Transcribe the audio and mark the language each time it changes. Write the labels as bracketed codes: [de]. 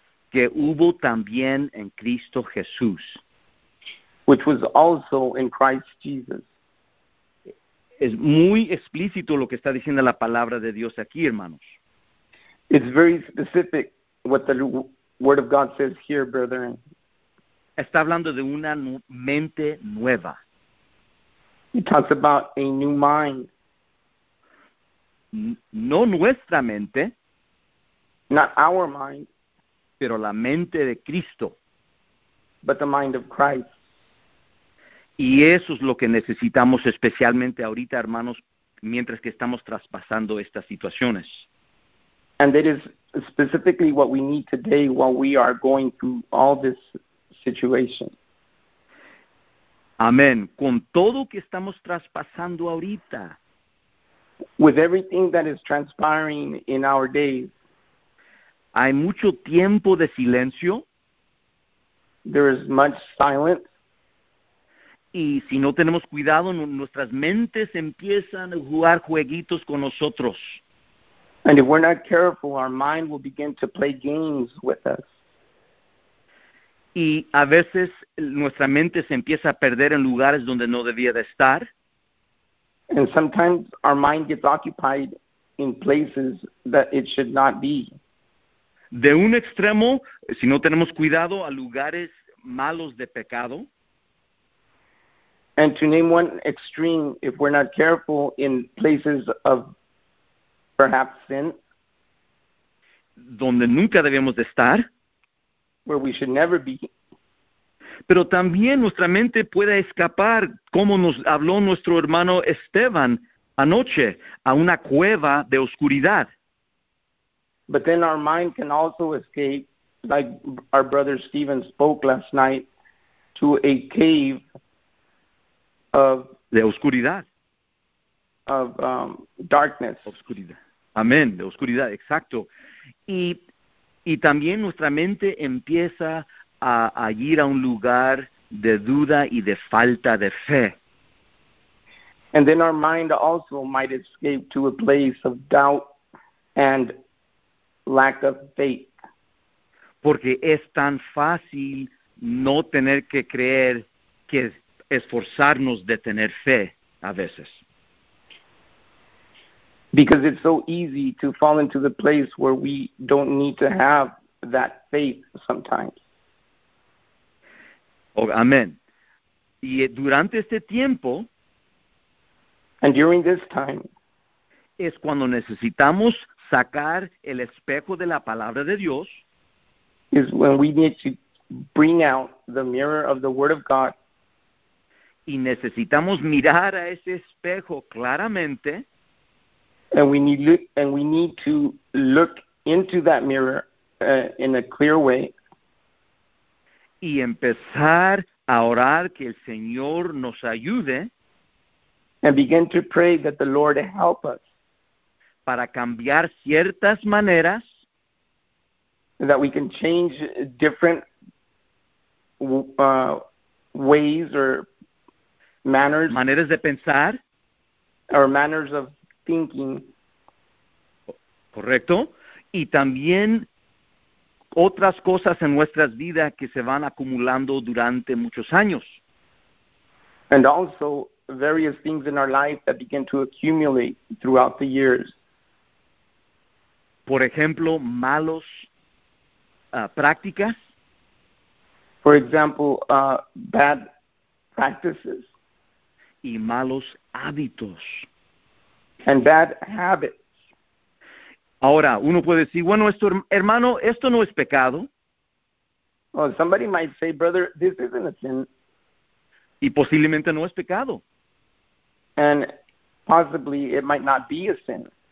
[es] Que hubo también en Cristo Jesús. [en] Which was also in Christ Jesus. [es] Es muy explícito lo que está diciendo la palabra de Dios aquí, hermanos. [en] It's very specific what the word of God says here, brethren. [es] Está hablando de una mente nueva. [en] He talks about a new mind. [es] No nuestra mente. [en] Not our mind. [es] Pero la mente de Cristo. [en] But the mind of Christ. [es] Y eso es lo que necesitamos especialmente ahorita, hermanos, mientras que estamos traspasando estas situaciones. [en] And that is specifically what we need today while we are going through all this situation. [es] Amén. Con todo que estamos traspasando ahorita. [en] With everything that is transpiring in our days. [es] Hay mucho tiempo de silencio. [en] There is much silence. [es] Y si no tenemos cuidado, nuestras mentes empiezan a jugar jueguitos con nosotros. [en] And if we're not careful, our mind will begin to play games with us. [es] Y a veces nuestra mente se empieza a perder en lugares donde no debía de estar. [en] And sometimes our mind gets occupied in places that it should not be. [es] De un extremo, si no tenemos cuidado, a lugares malos de pecado. [en] And to name one extreme, if we're not careful, in places of perhaps sin. [es] Donde nunca debíamos de estar. [en] Where we should never be. [es] Pero también nuestra mente puede escapar, como nos habló nuestro hermano Esteban anoche, a una cueva de oscuridad. [en] But then our mind can also escape, like our brother Stephen spoke last night, to a cave of [es] De oscuridad. [en] Of darkness. [es] Oscuridad. Amén, de oscuridad, exacto. Y también nuestra mente empieza a ir a un lugar de duda y de falta de fe. [en] And then our mind also might escape to a place of doubt and lack of faith. [es] Porque es tan fácil no tener que creer que esforzarnos de tener fe a veces. [en] Because it's so easy to fall into the place where we don't need to have that faith sometimes. [es] Oh, amén. Y durante este tiempo, [en] and during this time, [es] es cuando necesitamos sacar el espejo de la palabra de Dios, [en] is when we need to bring out the mirror of the Word of God, [es] y necesitamos mirar a ese espejo claramente, [en] and we need to look into that mirror in a clear way, [es] y empezar a orar que el Señor nos ayude, [en] and begin to pray that the Lord help us, [es] para cambiar ciertas maneras, [en] that we can change different ways or manners, [es] maneras de pensar, [en] or manners of thinking. [es] Correcto. Y también otras cosas en nuestras vidas que se van acumulando durante muchos años. [en] And also various things in our life that begin to accumulate throughout the years. [es] Por ejemplo, malos prácticas. [en] For example, bad practices. [es] Y malos hábitos. [en] And bad habits. [es] Ahora, uno puede decir, bueno, esto, hermano, esto no es pecado. [en] Well, somebody might say, brother, this isn't a sin. [es] Y posiblemente no es pecado. [en] And possibly it might not be a sin.